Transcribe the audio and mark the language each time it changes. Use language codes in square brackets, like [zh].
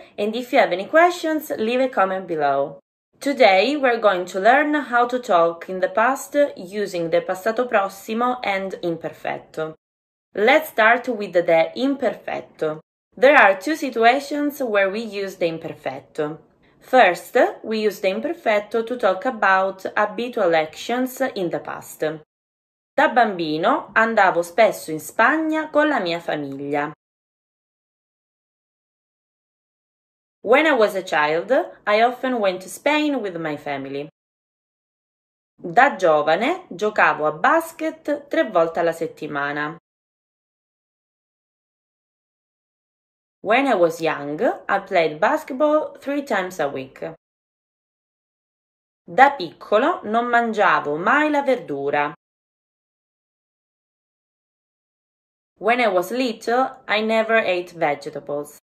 [en] And if you have any questions, leave a comment below. Today, we're going to learn how to talk in the past using the passato prossimo and imperfetto. Let's start with the imperfetto. There are two situations where we use the imperfetto. First, we use the imperfetto to talk about habitual actions in the past. [it] Da bambino andavo spesso in Spagna con la mia famiglia. [en] When I was a child, I often went to Spain with my family. [it] Da giovane giocavo a basket 3 volte alla settimana. [en] When I was young, I played basketball 3 times a week. [it] Da piccolo non mangiavo mai la verdura. [en] When I was little, I never ate vegetables.